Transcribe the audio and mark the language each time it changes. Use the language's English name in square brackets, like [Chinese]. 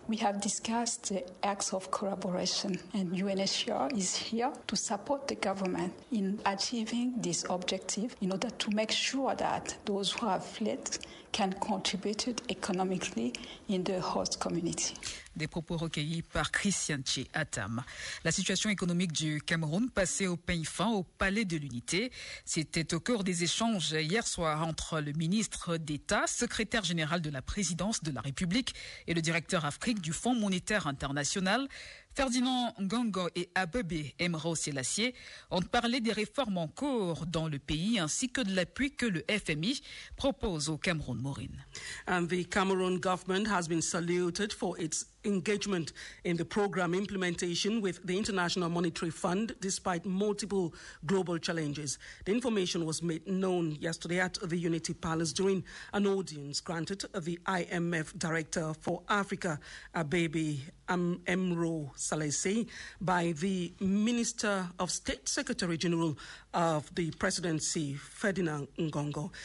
[English] We have discussed the acts of collaboration, and UNHCR is here to support the government in achieving this objective in order to make sure that those who have fled can contribute economically in the host community. [French] Des propos recueillis par Christian Tché Atam. La situation économique du Cameroun passait au peigne fin au Palais de l'Unité. C'était au cœur des échanges hier soir entre le ministre d'État, secrétaire général de la présidence de la République et le directeur Afrique du Fonds monétaire international. Ferdinand Ngongo et Abebe Emeraho Selassie ont parlé des réformes en cours dans le pays ainsi que de l'appui que le FMI propose au Cameroun. Maureen. [English] And the Cameroon government has been saluted for its engagement in the program implementation with the International Monetary Fund despite multiple global challenges. The information was made known yesterday at the Unity Palace during an audience granted the IMF Director for Africa, Abebe Emeraho Selassie, by the Minister of State Secretary General of the Presidency, Ferdinand Ngongo.